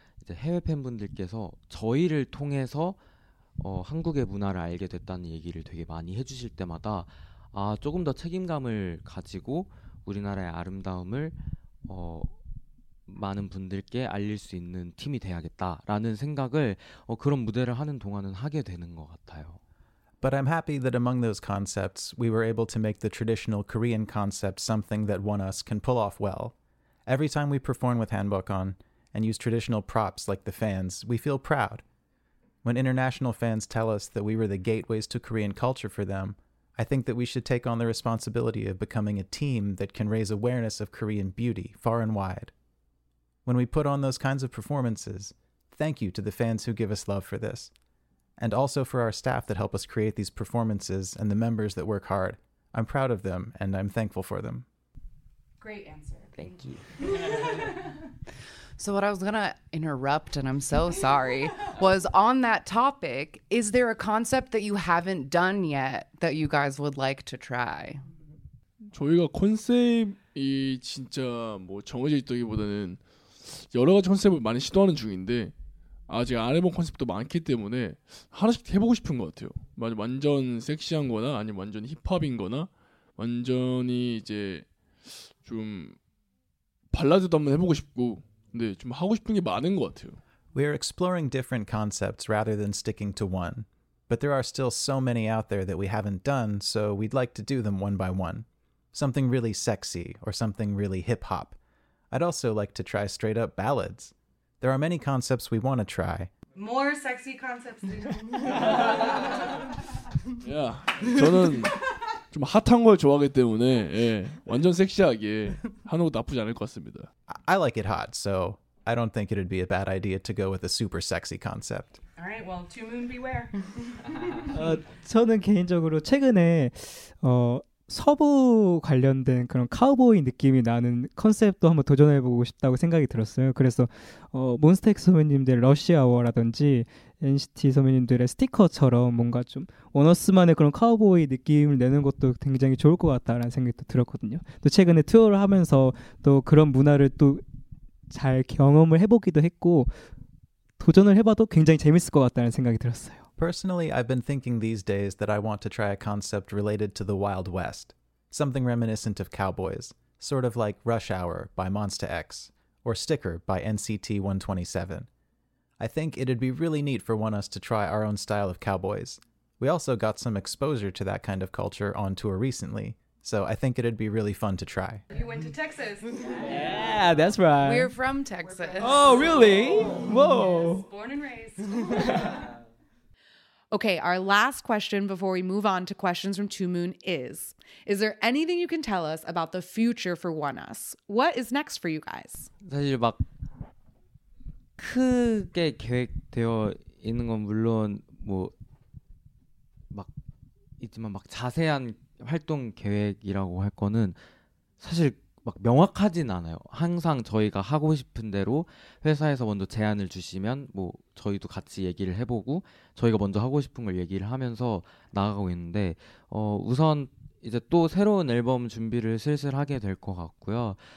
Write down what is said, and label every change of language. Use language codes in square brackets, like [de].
[ko] 이제 해외 팬분들께서 저희를 통해서 한국의 문화를 알게 됐다는 얘기를 되게 많이 해주실 때마다 아 조금 더 책임감을 가지고 우리나라의 아름다움을 많은 분들께 알릴 수 있는 팀이 돼야겠다라는 생각을 그런 무대를 하는 동안은 하게 되는 것 같아요. [en] But I'm happy that among those concepts, we were able to make the traditional Korean concept something that One Us can pull off well. Every time we perform with hanbok on and use traditional props like the fans, we feel proud. When international fans tell us that we were the gateways to Korean culture for them, I think that we should take on the responsibility of becoming a team that can raise awareness of Korean beauty far and wide. When we put on those kinds of performances, thank you to the fans who give us love for this. And also for our staff that help us create these performances and the members that work hard. I'm proud of them and I'm thankful for them. Great answer. Thank you. So what I was gonna interrupt, and I'm so sorry, was on that topic, is there a concept that you haven't done yet that you guys would like to try? [ko] 저희가 컨셉이 진짜 뭐 정해져 있다기보다는 여러 가지 컨셉을 많이 시도하는 중인데 아직 안 해본 컨셉도 많기 때문에 하나씩 해보고 싶은 것 같아요. 완전 섹시한 거나 아니면 완전 힙합인 거나 완전히 이제 좀 발라드도 한번 해보고 싶고 근데 좀 하고 싶은 게 많은 것 같아요. [en] We are exploring different concepts rather than sticking to one. But there are still so many out there that we haven't done, so we'd like to do them one by one. Something really sexy or something really hip-hop. I'd also like to try straight-up ballads. There are many concepts we want to try. More sexy concepts. [ko] Yeah, 저는 좀 핫한 걸 좋아하기 때문에 예, 완전 섹시하게 하는 것도 나쁘지 않을 것 같습니다. [en] I like it hot, so I don't think it'd be a bad idea to go with a super sexy concept. All right, well, two moon beware. [ko] 저는 개인적으로 최근에 서부 관련된 그런 카우보이 느낌이 나는 컨셉도 한번 도전해보고 싶다고 생각이 들었어요. 그래서 몬스타엑스 선배님들 러시아워라든지 NCT 선배님들의 스티커처럼 뭔가 좀 원어스만의 그런 카우보이 느낌을 내는 것도 굉장히 좋을 것 같다라는 생각도 들었거든요. 또 최근에 투어를 하면서 또 그런 문화를 또 잘 경험을 해보기도 했고 도전을 해봐도 굉장히 재밌을 것 같다는 생각이 들었어요. [en] Personally, I've been thinking these days that I want to try a concept related to the Wild West, something reminiscent of cowboys, sort of like Rush Hour by Monsta X, or Sticker by NCT 127. I think it'd be really neat for One Us to try our own style of cowboys. We also got some exposure to that kind of culture on tour recently, so I think it'd be really fun to try. You went to Texas. Yeah, that's right. We're from Texas. Oh, really? Whoa. Yes, born and raised. Okay, our last question before we move on to questions from Two Moon is there anything you can tell us about the future for One Us? What is next for you guys? [ko] 사실 막 크게 계획되어 있는 건 물론 뭐 막 있지만 막 자세한 활동 계획이라고 할 거는 사실 막 명확하진 않아요. 항상 저희가 하고 싶은 대로 회사에서 먼저 제안을 주시면 뭐 저희도 같이 얘기를 해보고 저희가 먼저 하고 싶은 걸 얘기를 하면서 나아가고 있는데 우선 이제 또 새로운 앨범 준비를 슬슬 하게 될 것 같고요.